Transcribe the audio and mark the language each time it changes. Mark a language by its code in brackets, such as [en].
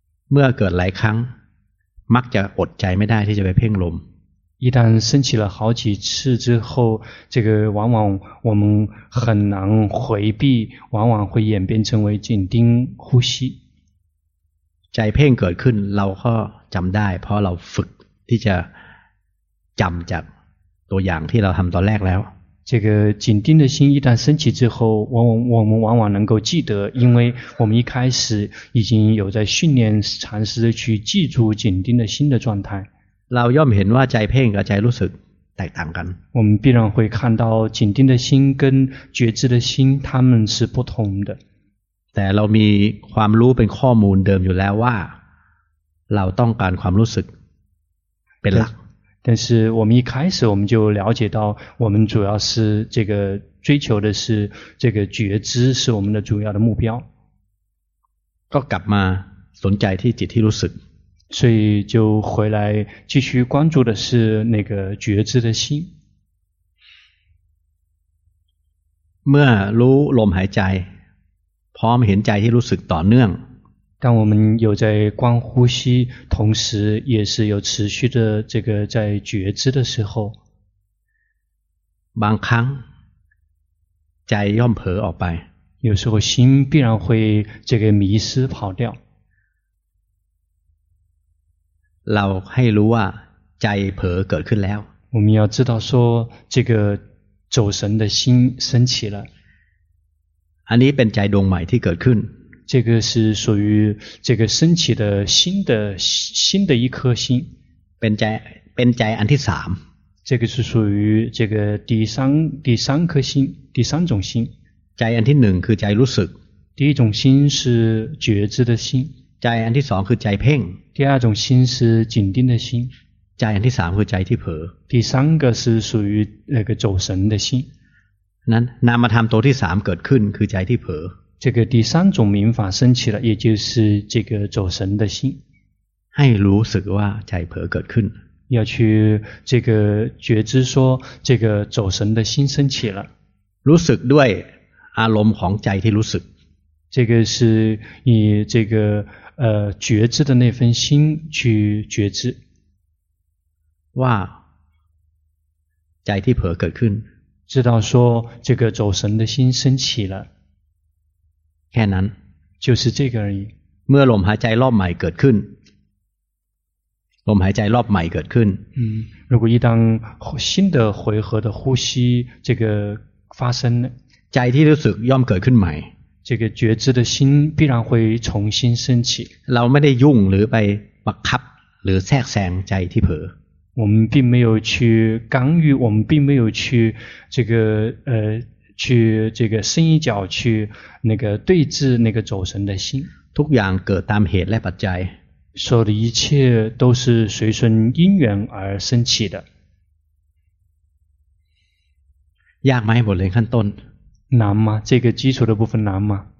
[th] เมื่อเกิดหลายครั้งมักจะอดใจไม่ได้ที่จะไปเพ่งลม [zh] 一旦升起了好几次之后这个往往我们很难回避往往会演变成为紧盯呼吸 [th] ใจเพ่งเกิดขึ้นเราก็จำได้เพราะเราฝึกที่จะจำจากตัวอย่างที่เราทำตอนแรกแล้ว [zh] 这个紧盯的心一旦升起之后我们往往能够记得因为我们一开始已经有在训练尝试去记住紧盯的心的状态 [th] เราย่อมเห็นว่าใจเพ่งกับใจรู้สึกแตกต่างกัน [zh] 我们必然会看到紧盯的心跟觉知的心它们是不同的 [th] แต่เรามีความรู้เป็นข้อมูลเดิมอยู่แล้วว่าเราต้องการความรู้สึกเป็นหลัก แต่ [zh] 是我们一开始我们就了解到我们主要是这个追求的是这个觉知是我们的主要的目标 [th] ก็กลับมาสนใจที่จิตที่รู้สึก [zh] 所以就回来继续关注的是那个觉知的心 [th] เมื่อรู้ลมหายใจพร้อมเห็นใจที่รู้สึกต่อเนื่อง [zh] 当我们有在观呼吸同时也是有持续的这个在觉知的时候 [th] บางครั้งใจย่อมเผลอออกไป [zh] 有时候心必然会这个迷失跑掉 [th] เราให้รู้ว่าใจเผลอเกิดขึ้นแล้ว [zh] 我们要知道说这个走神的心升起了 [th] อันนี้เป็นใจดวงใหม่ที่เกิดขึ้น [zh] 这个是属于这个升起的新的一颗心 [th] เป็นใจอันที่3 [zh] 这个是属于这个第三颗心第三种心 [th] ใจอันที่1คือใจรู้สึก [zh] 第一种心是觉知的心 [th] ใจอันที่2คือใจเพ่ง [zh] 第二种心是紧盯的心 [th] ใจอันที่3คือใจที่เผลอ [zh] 第三个是属于那个走神的心 [th] นั้นนามธรรมตัวที่3เกิดขึ้นคือใจที่เผลอ [zh] 这个第三种明法升起了也就是这个走神的心 [th] ให้รู้สึกว่าใจเผลอเกิดขึ้น [zh] 要去这个觉知说这个走神的心升起了 [th] รู้สึกด้วยอารมณ์ของใจที่รู้สึก [zh] 这个是以这个觉知的那份心去觉知 [th] ว่าใจที่เผลอเกิดขึ้น [zh] 知道说这个走神的心升起了 [th] แค่นั้น [zh] 就是这个而已 [th] เมื่อลมหายใจรอบใหม่เกิดขึ้นลมหายใจรอบใหม่เกิดขึ้น [zh] 如果一旦新的回合的呼吸这个发生 [th] ใจที่รู้สึกย่อมเกิดขึ้นใหม่ [zh] 这个觉知的心必然会重新升起 [th] เราไม่ได้ยุ่งหรือไปบังคับหรือแทรกแซงใจที่เผลอ [zh] 我们并没有去干预我们并没有去这个去这个伸一脚去那个对峙那个走神的心 [th] ทุกอย่างเกิดตามเหตุและปัจจัย [zh] 所有的一切都是随顺因缘而升起的 [th] ยากไหมบทเรียนขั้นต้น [zh] 难吗这个基础的部分难吗